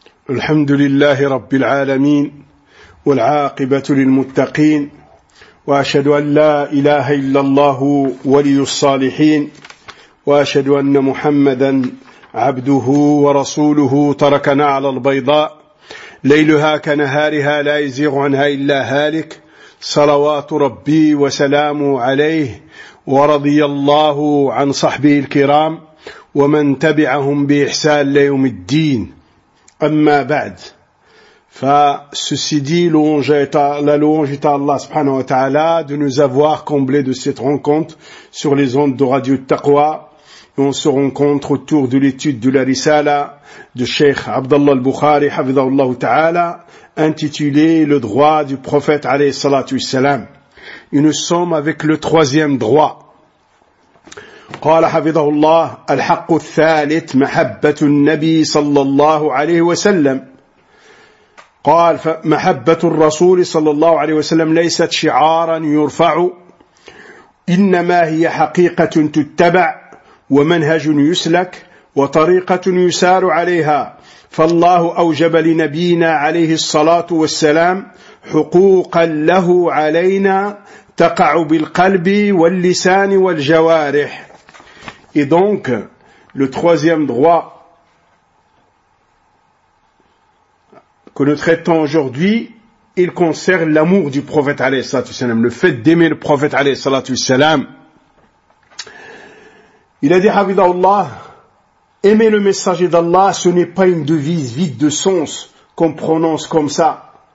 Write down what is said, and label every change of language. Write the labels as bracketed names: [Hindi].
[Arabic] الحمد لله رب العالمين، والعاقبة للمتقين، وأشهد أن لا إله إلا الله ولي الصالحين، وأشهد أن محمدًا عبده ورسوله تركنا على البيضاء ليلها كنهارها لا يزيغ عنها إلا هالك، صلوات ربي وسلامه عليه، ورضي الله عن صحبه الكرام ومن تبعهم بإحسان ليوم الدين. أما بعد، [French] فسيسي دي لونج إتا [Arabic] الله سبحانه وتعالى [French] de nous avoir comblé de cette rencontre sur les ondes de Radio Taqwa. On se rencontre autour de l'étude de la Risala de Cheikh Abdallah al-Bukhari, [Arabic] hafidhahullah ta'ala, [French] intitulée « Le droit du prophète » [Arabic] alayhi salatu wassalam. [French] Et nous sommes avec le troisième droit. [Arabic] قال حفظه الله الحق الثالث محبة النبي صلى الله عليه وسلم. قال فمحبة الرسول صلى الله عليه وسلم ليست شعارا يرفع، إنما هي حقيقة تتبع ومنهج يسلك وطريقة يسار عليها. فالله أوجب لنبينا عليه الصلاة والسلام حقوقا له علينا تقع بالقلب واللسان والجوارح. [French] Et donc, le troisième droit que nous traitons aujourd'hui, il concerne l'amour du prophète [Arabic] alayhi salatu wassalam, [French] le fait d'aimer le prophète alayhi salatu wassalam. Il a dit, Habibullah, aimer le messager d'Allah, ce n'est pas une devise vide de sens qu'on prononce comme ça.